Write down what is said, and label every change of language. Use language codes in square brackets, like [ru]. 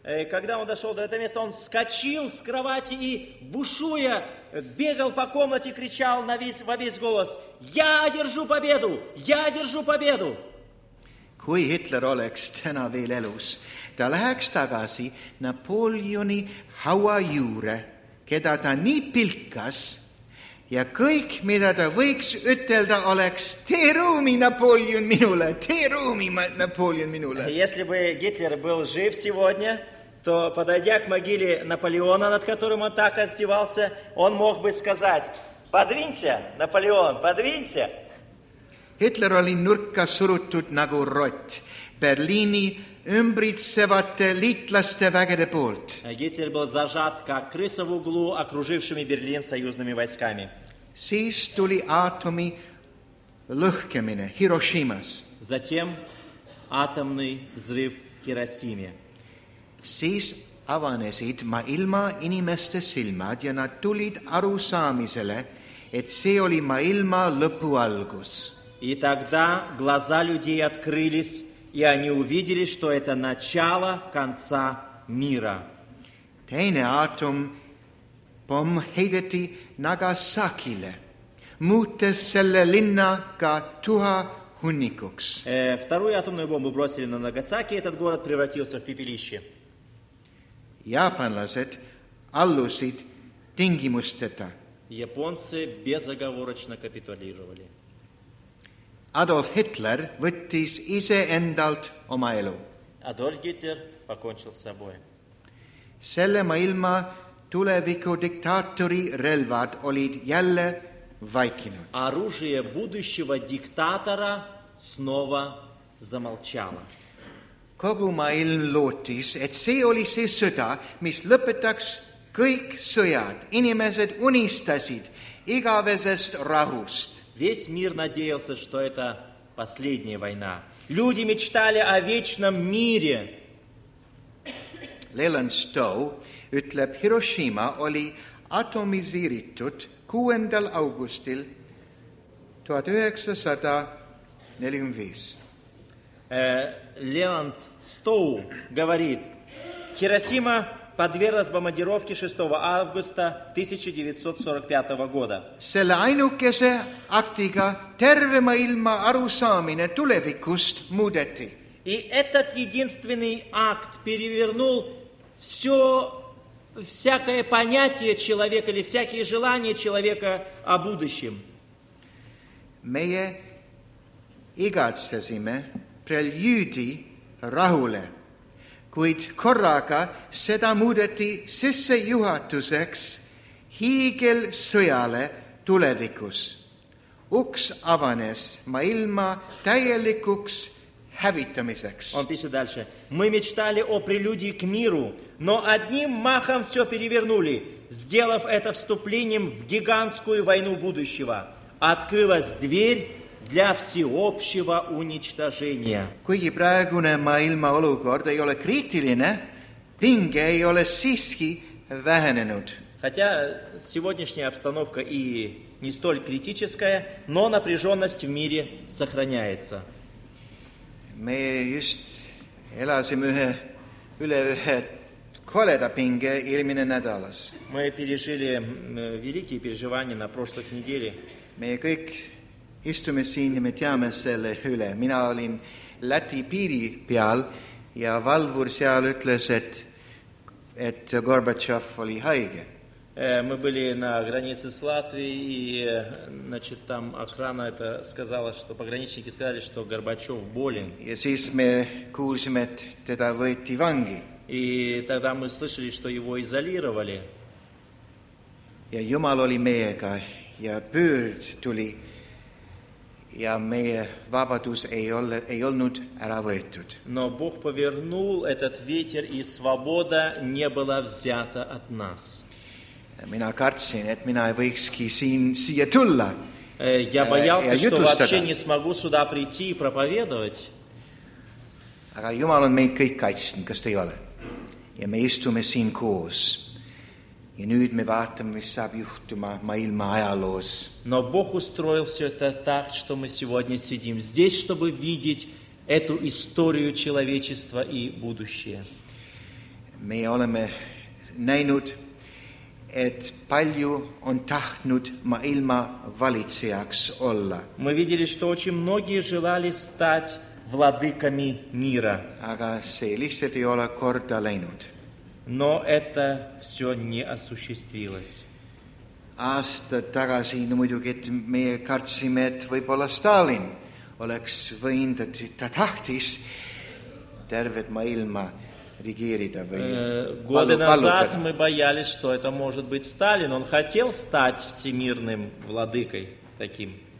[ru] Когда он дошел до этого места, он вскочил с кровати и, бушуя, бегал по комнате, кричал во весь голос, «Я одержу победу! Я одержу победу!» [et] Kui Hitler oleks täna veel elus, ta läheks tagasi Napoleoni haua juure, keda ta nii pilkas, ja kõik, mida ta võiks ütelda, oleks tee ruumi Napoleon minule, tee ruumi Napoleon minule. [ru] Если бы Гитлер был жив сегодня, то, подойдя к могиле Наполеона, над которым он так издевался, он мог бы сказать, подвинься, Наполеон, подвинься. [et] Hitler oli nurka surutud nagu rott Berliini ümbritsevate liitlaste vägede poolt. [ru] Hitler был зажат, как крыса в углу, окружившими Берлин союзными войсками. [et] Siis tuli aatomi lõhkemine Hiroshimas. [ru] Затем атомный взрыв в Хиросиме. [et] Siis avanesid maailma inimeste silmad ja nad tulid arusaamisele, et see oli maailma lõpu algus. [ru] И тогда глаза людей открылись, и они увидели, что это начало конца мира. [et] Teine aatom pomm heideti Nagasakile, muutes selle linna ka tuha hunnikuks. [ru] Вторую атомную бомбу бросили на Нагасаки, и этот город превратился в пепелище. [et] Japanlased allusid tingimusteta. [ru] Японцы безоговорочно капитулировали. [et] Adolf Hitler võttis ise endalt oma elu. [ru] Adolf Hitler pakonšil saboe. [et] Selle maailma tuleviku diktaatori relvad olid jälle vaikinud. [ru] Оружие будущего диктатора снова замолчало. [et] Kogu maailm lootis, et see oli see sõda, mis lõpetaks kõik sõjad. Inimesed unistasid igavesest rahust. [ru] Весь мир надеялся, что это последняя война. Люди мечтали о вечном мире. [et] Leland Stowe ütleb, Hiroshima oli atomiseeritud 6. augustil 1945. [ru] Леланд Стоу говорит, Хиросима подверглась бомбардировке 6 августа 1945 года. И этот единственный акт перевернул все, всякое понятие человека или всякие желания человека о будущем. [et] Meie igatsesime preljüüdi rahule, kuid korraga seda muudeti sissejuhatuseks hiigel sõjale tulevikus. Uks avanes maailma täielikuks hävitamiseks. [ru] On pisut dalše. Мы мечтали о прелюдии к миру, но одним махом все перевернули, сделав это вступлением в гигантскую войну будущего. Открылась дверь для всеобщего уничтожения. [et] Kuigi praegune maailma olukord ei ole kriitiline, pinge ei ole siiski vähenenud. [ru] Хотя сегодняшняя обстановка и не столь критическая, но напряженность в мире сохраняется. [et] Me just elasime ühe koleda pinge eelmine nädalas. [ru] Мы пережили великие переживания на прошлой неделе. [et] Meie kõik istume siin ja me teame selle üle. Mina olin Läti piiri peal ja valvur seal ütles, et Gorbatšov oli haige. [ru] Мы были на границе с Латвией, и значит, там охрана это сказала, что пограничники сказали, что Горбачев болен. [et] Ja siis me kuulsime, et teda võeti vangi. [ru] И тогда мы слышали, что его изолировали. [et] Ja Jumal oli meiega. Ja pöörd tuli ja meie vabadus ei olnud ära võetud. [ru] Но Бог повернул этот ветер, и свобода не была взята от нас. [et] Mina kartsin, et mina ei võikski siia tulla. [ru] Я боялся, что вообще не смогу сюда прийти и проповедовать. [et] Aga Jumal on meid kõik kaitsnud, kas ei ole. Ja me istume siin koos. Ja nüüd me vaatame, mis saab juhtuma maailma ajaloos. [ru] Но Бог устроил все это так, что мы сегодня сидим здесь, чтобы видеть эту историю человечества и будущее. [et] Me oleme näinud, et palju on tahtnud maailma valitsejaks olla. [ru] Мы видели, что очень многие желали стать владыками мира. [et] Aga see lihtsalt ei ole korda läinud. [ru] Но это все не осуществилось. [et] Aasta tagasi, no muidugi, et meie kartsime, et võib-olla Stalin oleks võinud, et ta tahtis tervet maailma regeerida või [ru] Годы назад мы боялись, что это может быть Сталин. Он хотел стать всемирным владыкой таким.